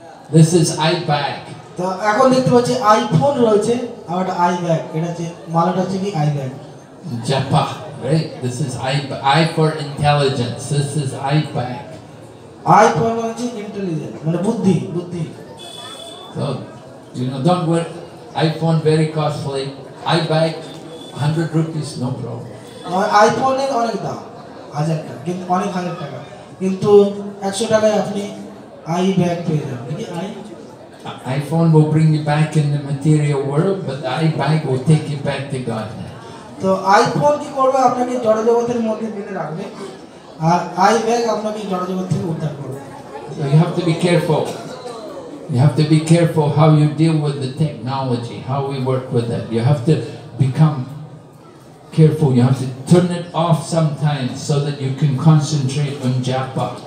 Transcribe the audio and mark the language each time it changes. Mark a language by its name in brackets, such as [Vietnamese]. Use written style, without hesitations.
[English] This is iBike. Japa, right? This is I for intelligence. This is iBike. I for intelligence. Buddhi. So, you know, don't wear iPhone very costly. iBike, 100 rupees, no problem. [Bangla] আইফোনের অনেক দাম 1000 টাকা, কিন্তু অনেক 1000 টাকা, কিন্তু 100 টাকায় আপনি আই ব্যাগ পেয়ে যাবেন। [English] IPhone will bring you back in the material world, but the I bag will take you back to God. [Bangla] তো আইফোন কি করবে, আপনাকে জড়জগতের মধ্যে দিয়ে রাখবে, আর আই ব্যাগ আপনাকে জড়জগত থেকে উদ্ধার করবে। [English] So you have to be careful. You have to be careful how you deal with the technology, how we work with it. You have to become careful, you have to turn it off sometimes so that you can concentrate on japa.